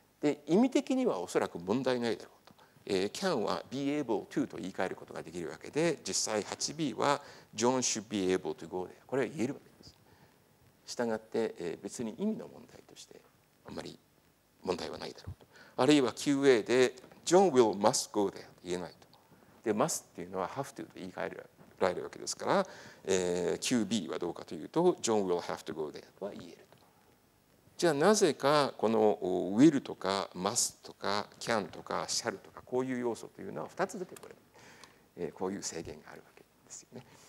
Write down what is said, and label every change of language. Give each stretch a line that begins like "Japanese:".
Japanese: で意味的にはおそらく問題ないだろう、can は be able to と言い換えることができるわけで、実際 8b は
English: John should be able to go there、
Japanese: これは言えるわけです。したがって別に意味の問題としてあんまり問題はないだろうと。あるいは 9a で
English: John will must go there
Japanese: と言えないと。で must っていうのは have to と言い換えられるわけですから、 9b はどうかというと
English: John will have to go there
Japanese: とは言える。じゃあなぜかこの will とか must とか can とか shall とかこういう要素というのは2つ出てくる、こういう制限があるわけですよね。